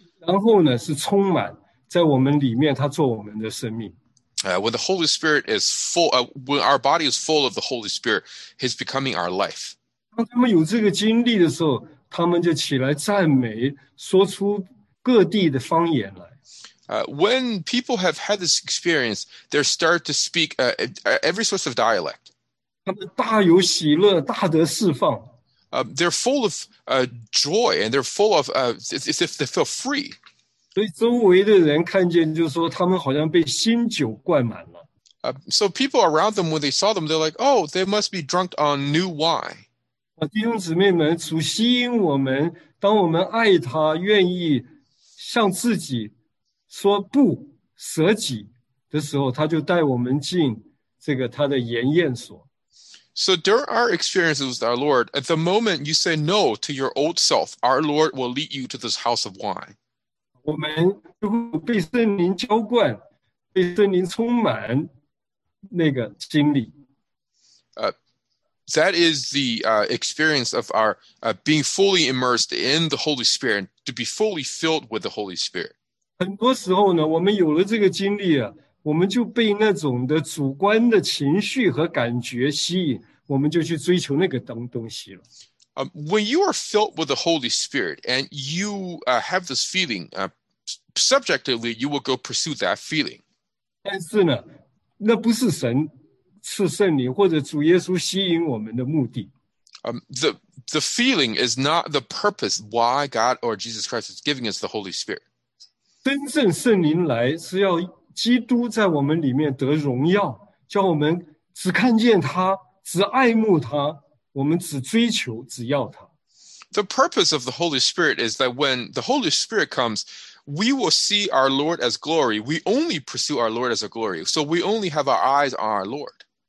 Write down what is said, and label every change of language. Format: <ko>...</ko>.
<zh>然后呢, 是充满, 在我们里面, 祂做我们的生命。</zh> <en>When the Holy Spirit is full, when our body is full of the Holy Spirit, He's becoming our life.</en> <zh>当他们有这个经历的时候, 他们就起来赞美, 说出各地的方言来。</zh> <en>When people have had this experience, they start to speak every source of dialect.</en> <zh>他们大有喜乐, 大得释放。</zh> <en>They're full of joy, and they're full of, as if they feel free.</en> <zh>所以周围的人看见就说他们好像被新酒灌满了。</zh> <en>So people around them, when they saw them, they're like, oh, they must be drunk on new wine.</en> <zh>弟兄姊妹们, 主吸引我们, 当我们爱他, 愿意向自己说不, 舍己的时候, 他就带我们进这个他的筵宴所。</zh> <en>So during our experiences with our Lord, at the moment you say no to your old self, our Lord will lead you to this house of wine.</en> <zh>我们就被圣灵浇灌, 被圣灵充满, 那个经历。</zh> <en>That is the experience of our being fully immersed in the Holy Spirit, to be fully filled with the Holy Spirit.</en> <zh>很多时候呢, 我们有了这个经历啊, 我们就被那种的主观的情绪和感觉吸引, 我们就去追求那个东西了。</zh> <en>When you are filled with the Holy Spirit and you have this feeling, subjectively, you will go pursue that feeling.</en> <zh>但是呢, 那不是神赐圣灵, 或者主耶稣吸引我们的目的。</zh> <en>The feeling is not the purpose why God or Jesus Christ is giving us the Holy Spirit.</en> <zh>真正圣灵来, 是要基督在我们里面得荣耀, 叫我们只看见他, 只爱慕他, 我们只追求, 只要他。</zh> <en>The purpose of the Holy Spirit is that when the Holy Spirit comes, we will see our Lord as glory. We only pursue our Lord as a glory. So we only have our eyes on our Lord.</en>